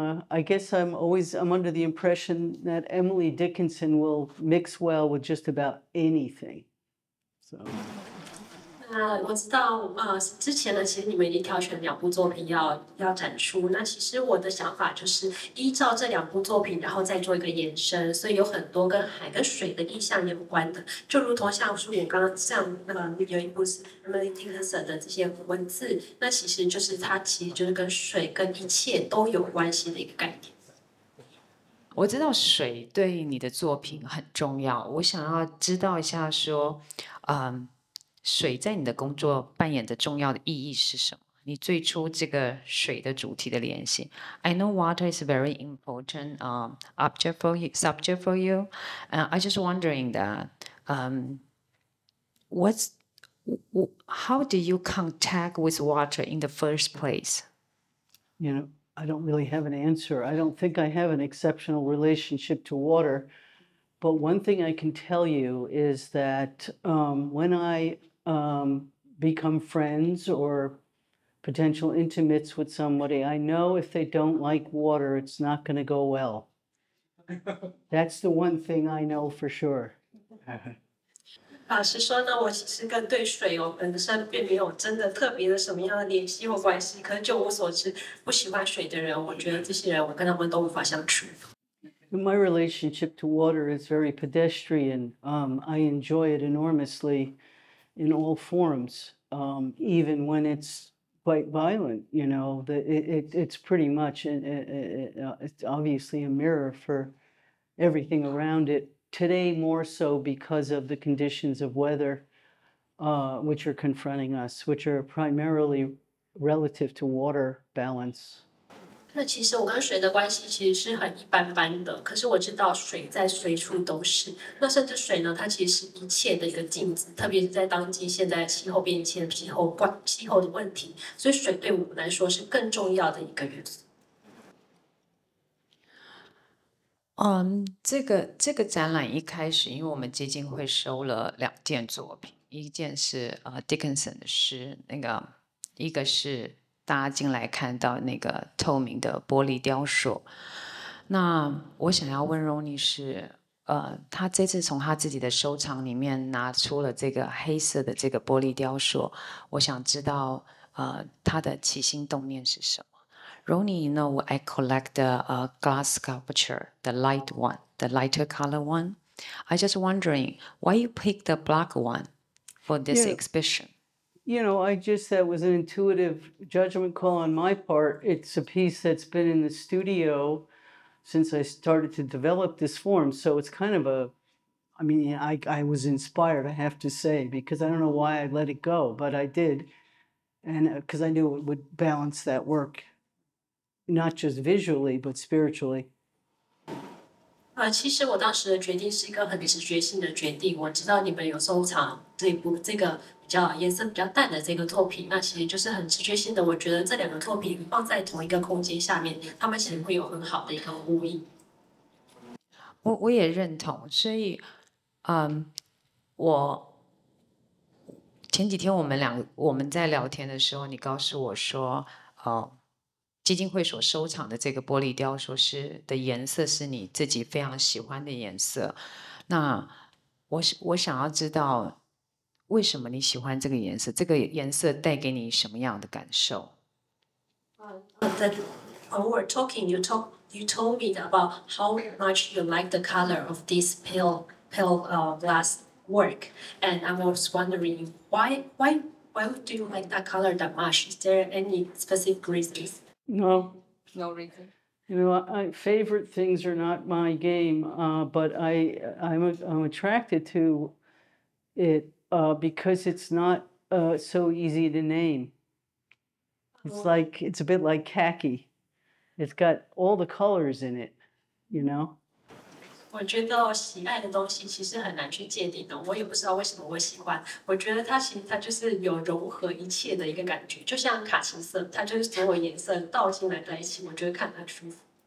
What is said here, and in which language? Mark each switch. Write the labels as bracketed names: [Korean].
[English] I guess I'm under the impression that Emily Dickinson will mix well with just about anything. So. [Chinese] 我知道之前呢其实你们已经挑选两部作品要展出，那其实我的想法就是依照这两部作品然后再做一个延伸，所以有很多跟海跟水的意象有关的，就如同像书里刚刚这样有一部是 Emily Dickinson 的这些文字，那其实就是它其实就是跟水跟一切都有关系的一个概念。我知道水对你的作品很重要，我想要知道一下说水在你的工作扮演的重要的意义是什么？你最初这个水的主题的联系 [English] ？I know water is a very important subject for you, and I just wondering that how do you contact with water in the first place? You know, I don't really have an answer. I don't think I have an exceptional relationship to water, but one thing I can tell you is that when I become friends or potential intimates with somebody, I know if they don't like water, it's not going to go well. That's the one thing I know for sure. [Chinese] 老实说呢，我其实跟对水哦本身并没有真的特别的什么样的联系或关系。可是就我所知，不喜欢水的人，我觉得这些人我跟他们都无法相处。 [English] My relationship to water is very pedestrian. I enjoy it enormously. In all forms, even when it's quite violent, you know, it's pretty much, it's obviously a mirror for everything around it. Today, more so because of the conditions of weather, which are confronting us, which are primarily relative to water balance. [Chinese] 那其实我跟水的关系其实是很一般般的，可是我知道水在随处都是，那甚至水呢它其实是一切的一个镜子，特别是在当今现在气候变迁气候的问题，所以水对我们来说是更重要的一个元素。这个展览一开始，因为我们基金会收了两件作品，一件是Dickinson 的诗，那个一个是大家进来看到那个透明的玻璃雕塑。那我想要问 Roni 是，他这次从他自己的收藏里面拿出了这个黑色的这个玻璃雕塑，我想知道他的起心动念是什么。 [English] Roni, you know, I collect the glass sculpture, the light one, the lighter color one. I just wondering why you pick the black one for this exhibition? You know, I just said it was an intuitive judgment call on my part. It's a piece that's been in the studio since I started to develop this form. So it's kind of I was inspired, I have to say, because I don't know why I let it go, but I did. And because I knew it would balance that work. Not just visually, but spiritually. [Chinese] 其实我当时的决定是一个很直觉性的决定。我知道你们有收藏这个比较颜色比较淡的这个作品，那其实就是很直觉性的。我觉得这两个作品放在同一个空间下面，它们其实会有很好的一个呼应。我也认同，所以，我前几天我们在聊天的时候，你告诉我说，基金会所收藏的这个玻璃雕塑是的颜色是你自己非常喜欢的颜色，那 我想要知道为什么你喜欢这个颜色，这个颜色带给你什么样的感受。 [English] When we were talking, you told me about how much you like the color of this pale glass work, and I was wondering why do you like that color that much? Is there any specific reasons? No reason. You know, I favorite things are not my game, but I'm attracted to it because it's not so easy to name. It's like, it's a bit like khaki. It's got all the colors in it, you know? [Chinese] 我觉得喜爱的东西其实很难去界定的，我也不知道为什么我喜欢。我觉得它就是有融合一切的一个感觉，就像卡其色，它就是所有颜色倒进来在一起，我觉得看得很舒服。